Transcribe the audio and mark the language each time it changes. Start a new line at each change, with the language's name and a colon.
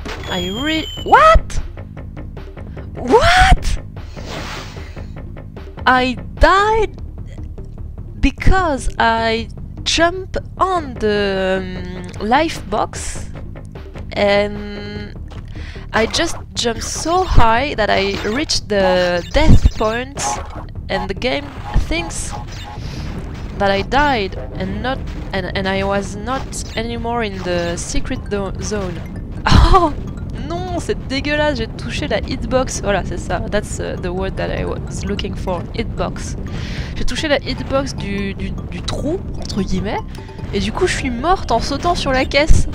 English: I died because I jump on the life box and I just jumped so high that I reached the death point and the game thinks that I died and not and I was not anymore in the secret zone.
French: Oh non, c'est dégueulasse, j'ai touché la hitbox. Voilà, c'est ça.
English: That's the word that I was looking for. Hitbox.
French: J'ai touché la hitbox du trou, entre guillemets. Et du coup, je suis morte en sautant sur la caisse.